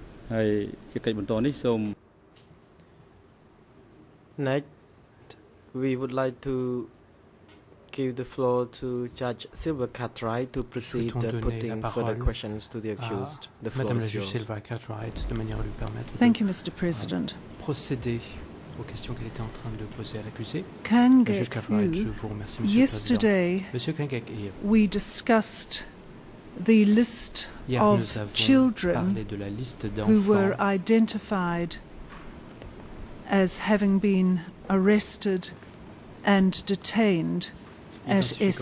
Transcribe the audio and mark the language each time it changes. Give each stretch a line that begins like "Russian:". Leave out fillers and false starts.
English: Next, we would like to give the floor to Judge Silva Cartwright to proceed putting further questions to the accused. The floor
French: Madame la juge Silva Cartwright, de manière à lui permettre.
English: Thank you, Mr. President.
French: Procéder aux questions qu'elle était en train de poser à l'accusé.
English: Kangek, yesterday, we discussed the list of children who were identified as having been arrested and detained at